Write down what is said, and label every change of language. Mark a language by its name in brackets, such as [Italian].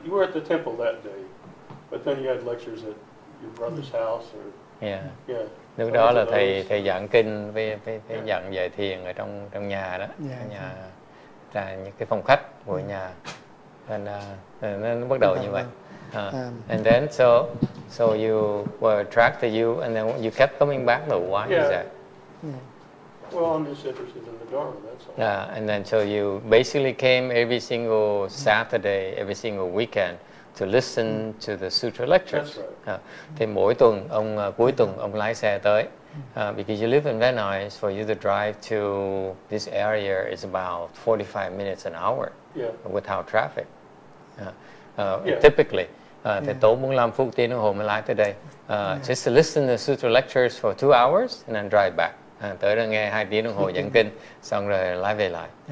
[English] You were at the temple that day, but then you had lectures at... your brother's house or [Vietnamese] Lúc đó là thầy giảng kinh với giảng dạy thiền ở trong nhà đó, nhà là những cái phòng khách của nhà. And nó bắt đầu như vậy. [English] And then so you were attracted to you, and then you kept coming back, though. Why is that? Well, I'm just interested in the Dharma, that's all. Yeah, and then so you basically came every single Saturday, every single weekend to listen to the sutra lectures. That's right. [Vietnamese] Thì mỗi tuần ông cuối tuần ông lái xe tới. [English] Because you live in Van Nuys, for you to drive to this area is about 45 minutes an hour. Yeah. Without traffic. [Vietnamese] Typically, thì tốn 45 phút tiếng đồng hồ mới lái tới đây. [English] Just to listen to the sutra lectures for 2 hours and then drive back. [Vietnamese] Tới đó nghe 2 tiếng đồng hồ giảng kinh xong rồi lái về lại.